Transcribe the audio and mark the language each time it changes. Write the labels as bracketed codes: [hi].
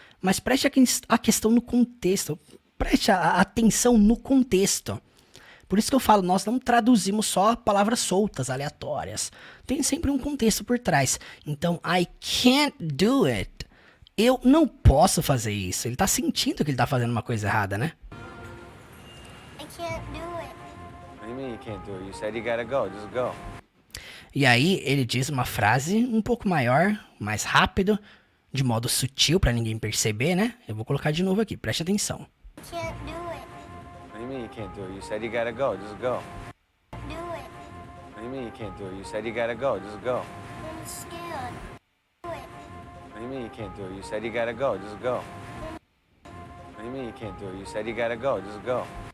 [pt] Mas preste a questão no contexto. Preste a atenção no contexto. Por isso que eu falo, nós não traduzimos só palavras soltas, aleatórias. Tem sempre um contexto por trás. Então, [en] I can't do it. [pt] Eu não posso fazer isso. Ele tá sentindo que ele tá fazendo uma coisa errada, né? [en] I can't do it. What do you mean you can't do it? You said you gotta go, just go. [pt] E aí, ele diz uma frase um pouco maior, mais rápido, de modo sutil pra ninguém perceber, né? Eu vou colocar de novo aqui, preste atenção. [en] I can't do it. What do you mean you can't do it? You said you gotta go, just go. Do it. What do you mean you can't do it? You said you gotta go, just go. I'm scared. Do it. What do you mean you can't do it? You said you gotta go, just go. What do you mean you can't do it? You said you gotta go, just go.